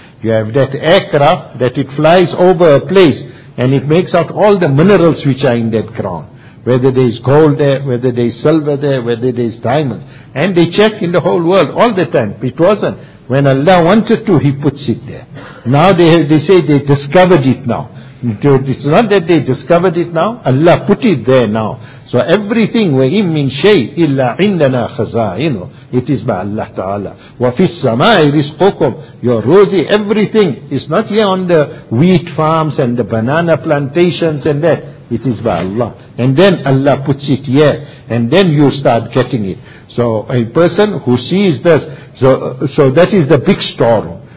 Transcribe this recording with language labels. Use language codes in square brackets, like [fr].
[en] You have that aircraft that it flies over a place and it makes out all the minerals which are in that ground. Whether there is gold there, whether there is silver there, whether there is diamonds. And they check in the whole world all the time. It wasn't. When Allah wanted to, He puts it there. Now they say they discovered it now. It's not that they discovered it now. Allah put it there now. So everything, [ar] وَإِمْ مِنْ شَيْءٍ إِلَّا عِنْدَنَا خَزَائِنُ. [en] It is by Allah Ta'ala. [ar] وَفِي السَّمَاءِ رِزْقُكُمْ. [en] Your rosy, everything is not here on the wheat farms and the banana plantations and that. It is by Allah. And then Allah puts it here. And then you start getting it. So a person who sees this, so that is the big storeroom.